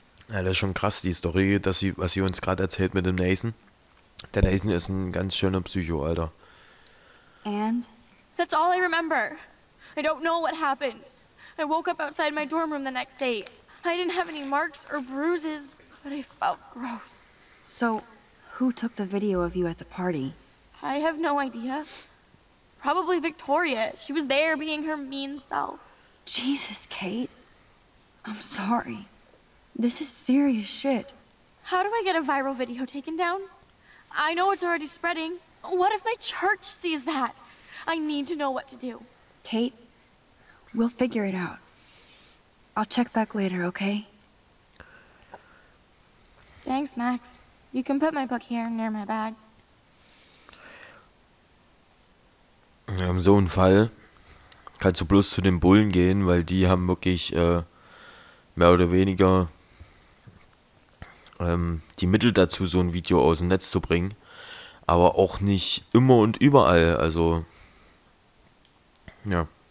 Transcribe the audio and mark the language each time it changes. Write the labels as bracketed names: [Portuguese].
[German] Ja, das ist schon krass, die Story, was sie uns gerade erzählt mit dem Nathan. Der Nathan ist ein ganz schöner Psycho, Alter. [English] And? That's all I remember. I don't know what happened. I woke up outside my dorm room the next day. I didn't have any marks or bruises, but I felt gross. So, who took the video of you at the party? I have no idea. probably Victoria. She was there being her mean self. Jesus, Kate. I'm sorry. This is serious shit. How do I get a viral video taken down? I know it's already spreading. What if my church sees that? I need to know what to do. Kate, we'll figure it out. I'll check back later, okay? Thanks, Max. You can put my book here near my bag. [German] Im so einem Fall kannst du bloß zu den Bullen gehen, weil die haben wirklich mehr oder weniger die Mittel dazu, so ein Video aus dem Netz zu bringen. Aber auch nicht immer und überall. Also, ja.